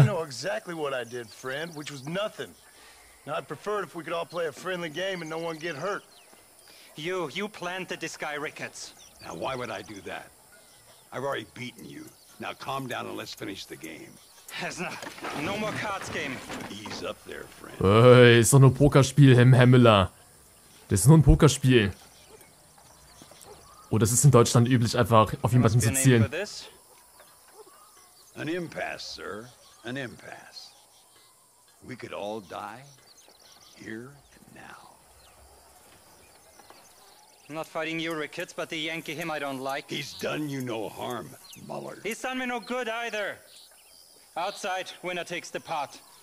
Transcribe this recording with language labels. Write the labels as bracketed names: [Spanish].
[English] I know exactly what I did, friend, which was nothing. Now, I'd prefer it if we could all play a friendly game and no one get hurt. You planted this guy, Ricketts. Now, why would I do that? I've already beaten you. Now calm down and let's finish the game. There's no more cards game. Ease up there, friend. [German] Hey, ist doch nur ein Pokerspiel, Hemmela. Das ist nur ein Pokerspiel. Oh, das ist in Deutschland üblich, einfach auf jemanden zu zielen. [English] An impasse, sir. An impasse. We could all die here and now. I'm not fighting you, Ricketts, but the Yankee him I don't like. He's done you no harm, Muller. He's done me no good either. Outside, winner takes the pot.